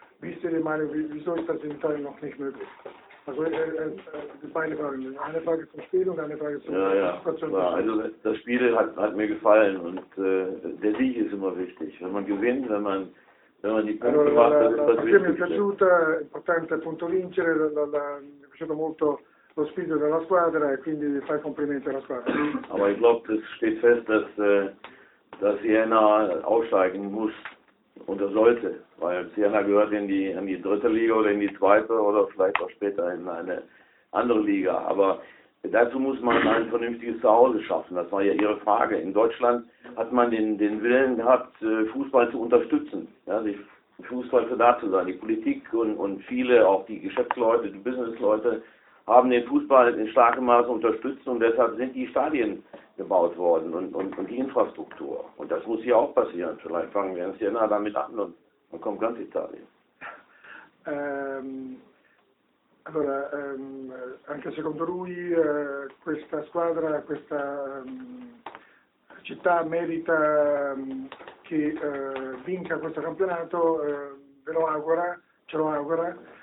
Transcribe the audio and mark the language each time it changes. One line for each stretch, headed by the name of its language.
German: Wisst ihr meine, wieso ist das in Italien noch nicht möglich? Also die beiden Fragen, eine Frage zum Spiel und eine Frage zum Situation. Ja, also das Spiel hat mir gefallen und der Sieg ist immer wichtig. Wenn man gewinnt, wenn man die Punkte
Italian: allora,
German: macht, dann ist das wichtig.
Italian: Mi è piaciuta, è importante appunto vincere, mi è piaciuto molto lo spirito della squadra e quindi fai complimenti alla squadra.
German: Aber ich glaube, das steht fest, dass Siena aufsteigen muss. Und er sollte, weil Siena gehört in die dritte Liga oder in die zweite oder vielleicht auch später in eine andere Liga. Aber dazu muss man ein vernünftiges Zuhause schaffen. Das war ja Ihre Frage. In Deutschland hat man den Willen gehabt, Fußball zu unterstützen, ja, sich Fußball für da zu sein. Die Politik und viele, auch die Geschäftsleute, die Businessleute, haben den Fußball in starkem Maße unterstützt und deshalb sind die Stadien gebaut worden und die Infrastruktur. Und das muss hier auch passieren. Vielleicht fangen wir uns hier nah damit an und dann kommt ganz Italien.
Italian: Allora, anche secondo lui, questa squadra, questa città merita che vinca questo campionato, ve lo augura, ce lo augura.